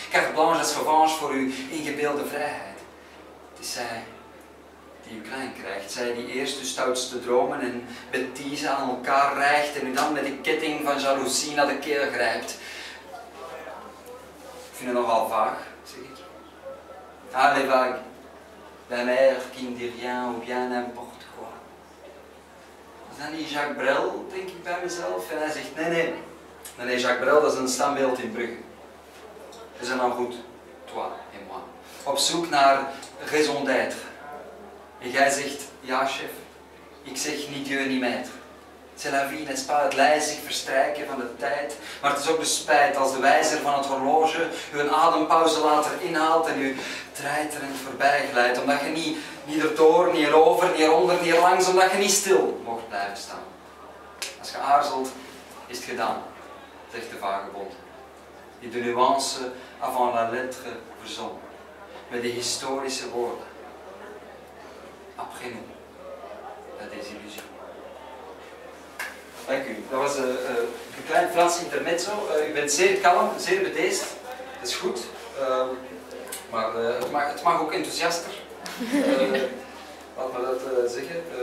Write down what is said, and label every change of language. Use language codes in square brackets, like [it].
[nl] Carte blanche als revanche voor uw ingebeelde vrijheid. Het is zij die u klein krijgt, zij die eerst uw stoutste dromen en bêtise aan elkaar rijgt en u dan met een ketting van jaloezie naar de keel grijpt. Ik vind het nogal vaag, zeg ik. [fr] Allez vague, la mère qui ne dit rien ou bien n'importe quoi. [nl] Is dat niet Jacques Brel, denk ik bij mezelf? En hij zegt, nee, Jacques Brel, dat is een standbeeld in Brugge. We zijn dan goed, [fr] toi et moi, [nl] op zoek naar raison d'être. En jij zegt, ja chef, ik zeg [fr] ni dieu ni maître. C'est la vie, n'est-ce pas, [nl] het lijzig verstrijken van de tijd. Maar het is ook de spijt als de wijzer van het horloge u een adempauze later inhaalt en u treiterend voorbij glijdt. Omdat je niet erdoor, niet erover, niet eronder, niet erlangs, omdat je niet stil mocht blijven staan. Als je aarzelt, is het gedaan, zegt de vagebond. Die de nuance avant la lettre verzon, met de historische woorden. [fr] Après nous, la désillusion. [nl] Dank u. Dat was een klein Frans intermezzo. U bent zeer kalm, zeer bedeesd. Dat is goed. Maar het mag ook enthousiaster. Laat me dat zeggen.